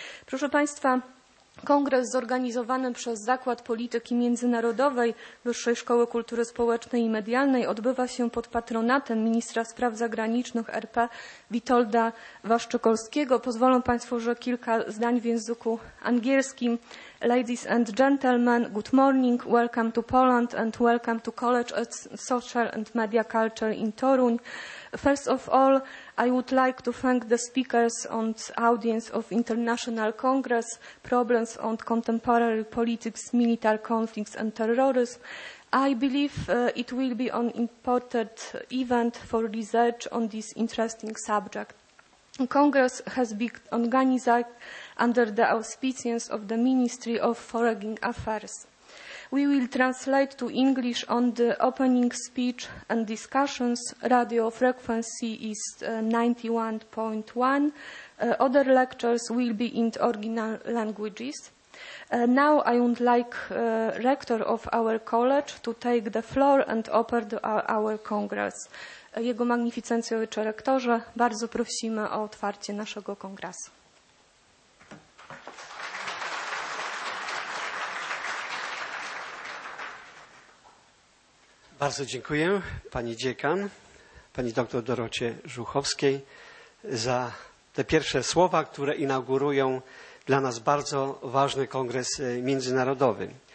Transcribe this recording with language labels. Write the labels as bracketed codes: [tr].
[pl] Proszę Państwa, kongres zorganizowany przez Zakład Polityki Międzynarodowej Wyższej Szkoły Kultury Społecznej i Medialnej odbywa się pod patronatem ministra spraw zagranicznych RP Witolda Waszczykowskiego. Pozwolą Państwo, że kilka zdań w języku angielskim. [en] Ladies and gentlemen, good morning, welcome to Poland and welcome to College of Social and Media Culture in Toruń. First of all, I would like to thank the speakers and audience of International Congress, Problems on Contemporary Politics, Military Conflicts and Terrorism. I believe it will be an important event for research on this interesting subject. Congress has been organized under the auspices of the Ministry of Foreign Affairs. We will translate to English on the opening speech and discussions. Radio frequency is 91.1. Other lectures will be in original languages. Now I would like rector of our college to take the floor and open our congress. [pl] Jego magnificencjo ojcze rektorze, bardzo prosimy o otwarcie naszego kongresu. Bardzo dziękuję pani dziekan, pani doktor Dorocie Żuchowskiej za te pierwsze słowa, które inaugurują dla nas bardzo ważny kongres międzynarodowy.